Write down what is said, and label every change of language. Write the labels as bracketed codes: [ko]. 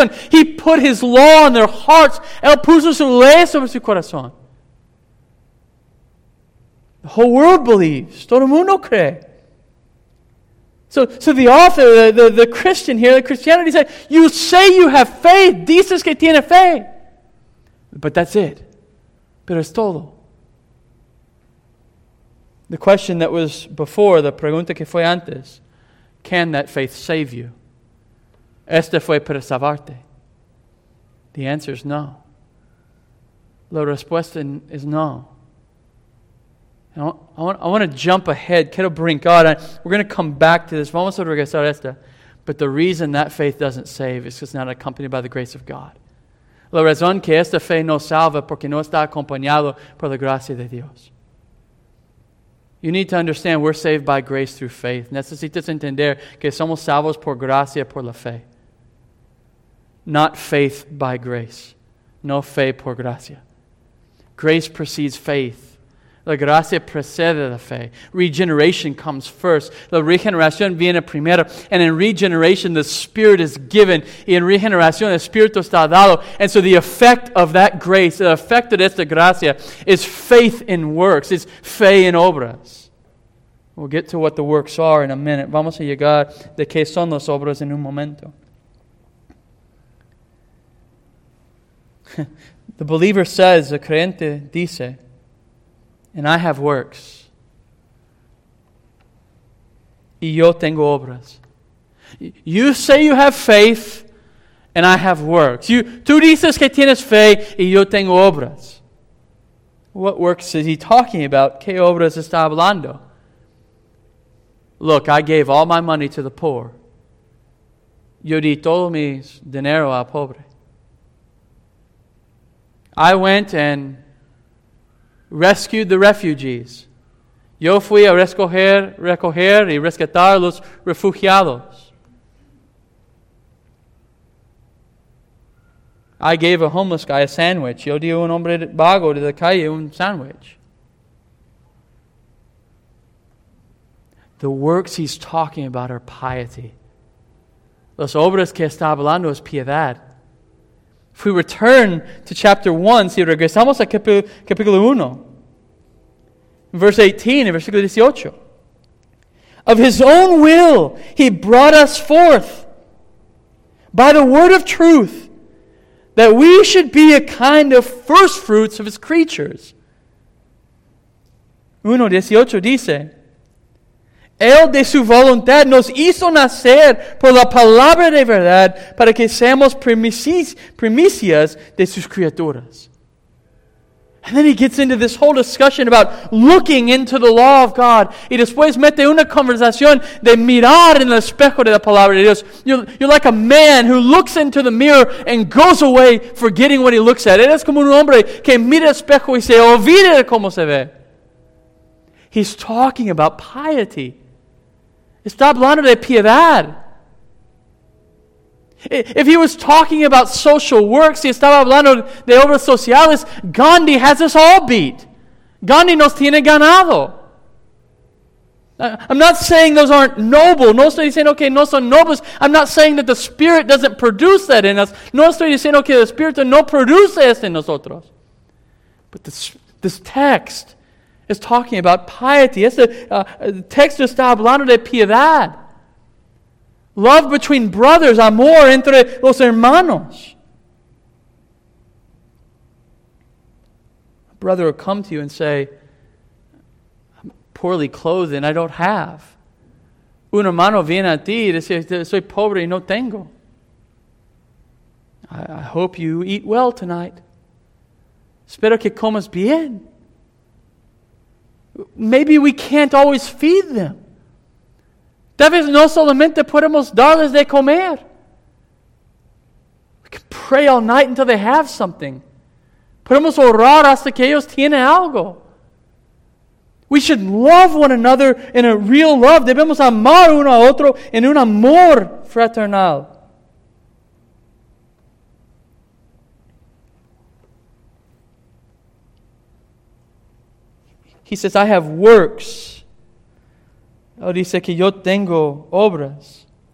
[en] He put his law on their hearts. [es] Él puso su ley sobre su corazón. [en] The whole world believes. [es] Todo el mundo cree. [en] So the author, the Christian here, the Christianity said, you say you have faith, [es] dices que tiene fe. [en] But that's it. [es] Pero es todo. [en] The question that was before, the [es] pregunta que fue antes, [en] can that faith save you? [es] Este fue para salvarte. [en] The answer is no. [es] La respuesta [en] is no. I want to jump ahead. [es] Quiero brincar. [en] We're going to come back to this. [es] Vamos a regresar a esta. [en] But the reason that faith doesn't save is because it's not accompanied by the grace of God. [es] La razón que esta fe no salva porque no está acompañado por la gracia de Dios. [en] You need to understand we're saved by grace through faith. [es] Necesitas entender que somos salvos por gracia por la fe. [en] Not faith by grace. [es] No fe por gracia. [en] Grace precedes faith. [es] La gracia precede la fe. [en] Regeneration comes first. [es] La regeneración viene primero. [en] And in regeneration, the Spirit is given. [es] Y en regeneración, el Espíritu está dado. [en] And so the effect of that grace, the effect of [es] esta gracia, [en] is faith in works. It's [es] fe en obras. [en] We'll get to what the works are in a minute. [es] Vamos a llegar de qué son las obras en un momento. [en] The believer says, the [es] creyente dice, [en] and I have works. [es] Y yo tengo obras. [en] You say you have faith, and I have works. [es] Tú dices que tienes fe, y yo tengo obras. [en] What works is he talking about? [es] ¿Qué obras está hablando? [en] Look, I gave all my money to the poor. [es] Yo di todo mi dinero al pobre. [en] I went and rescued the refugees. [es] Yo fui a recoger y rescatar los refugiados. [en] I gave a homeless guy a sandwich. [es] Yo di un hombre vago de la calle un sandwich. [en] The works he's talking about are piety. [es] Las obras que está hablando es piedad. [en] If we return to chapter 1, [es] si regresamos a capítulo 1, [en] verse 18, [es] en versículo 18. [en] Of his own will, he brought us forth by the word of truth, that we should be a kind of first fruits of his creatures. [es] 1:18 dice, Él de su voluntad nos hizo nacer por la palabra de verdad para que seamos primicias de sus criaturas. [en] And then he gets into this whole discussion about looking into the law of God. [es] Y después mete una conversación de mirar en el espejo de la palabra de Dios. [en] You're like a man who looks into the mirror and goes away forgetting what he looks at. [es] Eres como un hombre que mira el espejo y se olvida de cómo se ve. [en] He's talking about piety. [es] Está hablando de piedad. [en] If he was talking about social works, [es] si estaba hablando de obras sociales, [en] Gandhi has us all beat. [es] Gandhi nos tiene ganado. [en] I'm not saying those aren't noble. [es] No estoy diciendo que no son nobles. [en] I'm not saying that the Spirit doesn't produce that in us. [es] No estoy diciendo que el Espíritu no produce esto en nosotros. [en] But this text is talking about piety. [es] The text está hablando de piedad. [en] Love between brothers, [es] amor entre los hermanos. [en] A brother will come to you and say, I'm poorly clothed and I don't have. [es] Un hermano viene a ti y dice, soy pobre y no tengo. [en] I hope you eat well tonight. [es] Espero que comas bien. [en] Maybe we can't always feed them. [es] Tal vez no solamente podemos darles de comer. [en] We can pray all night until they have something. [es] Podemos orar hasta que ellos tienen algo. [en] We should love one another in a real love. [es] Debemos amar uno a otro en un amor fraternal. He says, I have works. Él dice que yo tengo obras.